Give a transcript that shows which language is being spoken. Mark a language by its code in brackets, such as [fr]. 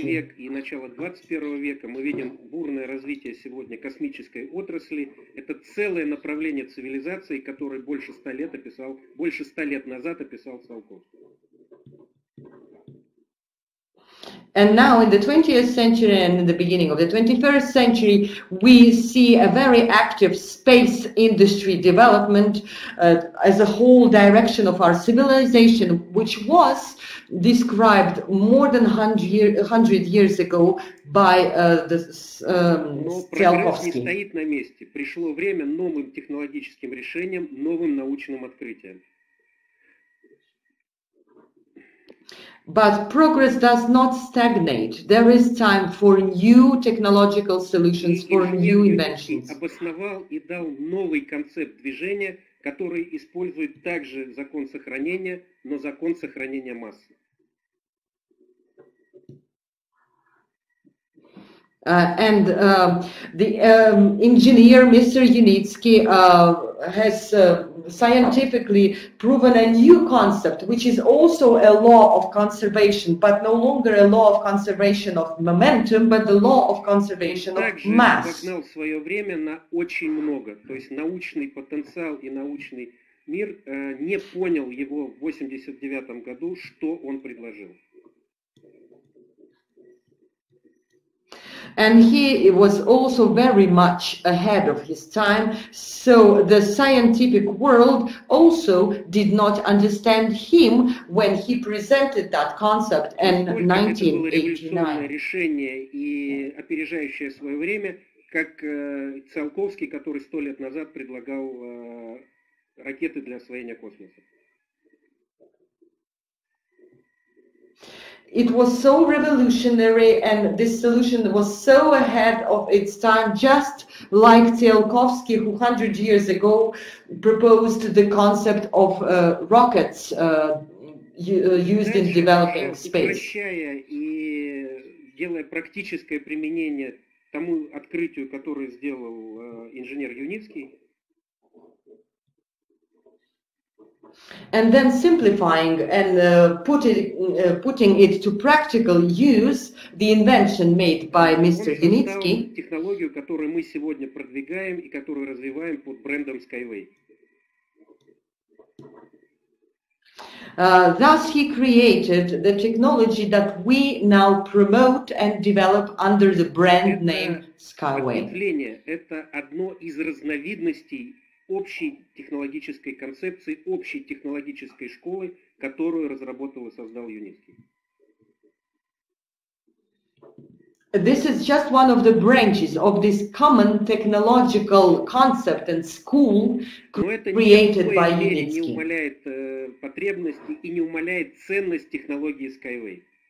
[ru] В 20-й век и начало 21 века мы видим бурное развитие сегодня космической отрасли. Это целое направление цивилизации, которое больше ста лет назад описал Циолковский. [en] And now in the 20th century and in the beginning of the 21st century, we see a very active space industry development as a whole direction of our civilization, which was described more than 100 years ago by Циолковский. [ru] Но прогресс не стоит на месте. Пришло время новым технологическим решениям, новым научным открытиям. [en] But progress does not stagnate. There is time for new technological solutions, for new inventions. [ru] Обосновал и дал новый концепт движения, который использует также закон сохранения, но закон сохранения массы. [en] And the engineer Mr. Yunitsky has scientifically proven a new concept, which is also a law of conservation, but no longer a law of conservation of momentum, but the law of conservation of mass. [ru] Также обогнал свое время на очень много, то есть научный потенциал и научный мир не понял его в 89 году, что он предложил. [en] And he was also very much ahead of his time, so the scientific world also did not understand him when he presented that concept in 1989. [ru] Решение и опережающее свое время, как Циолковский, который 100 лет назад предлагал ракеты для освоения космоса. [en] It was so revolutionary, and this solution was so ahead of its time, just like Циолковский, who 100 years ago proposed the concept of rockets used in developing space. [ru] Упрощая и делая практическое применение тому открытию, которое сделал инженер Юницкий. [en] And then simplifying and putting it to practical use, the invention made by Mr. Yunitsky. [ru] Технологию, которую мы сегодня продвигаем и которую развиваем под брендом SkyWay. [en] Thus he created the technology that we now promote and develop under the brand name SkyWay. [ru] Это одно из разновидностей общей технологической концепции, общей технологической школы, которую разработал и создал Юницкий. [en] This is just one of the branches of this common technological concept and school created by Юницкий. [ru] Не умаляет потребности и не умаляет ценность технологии SkyWay.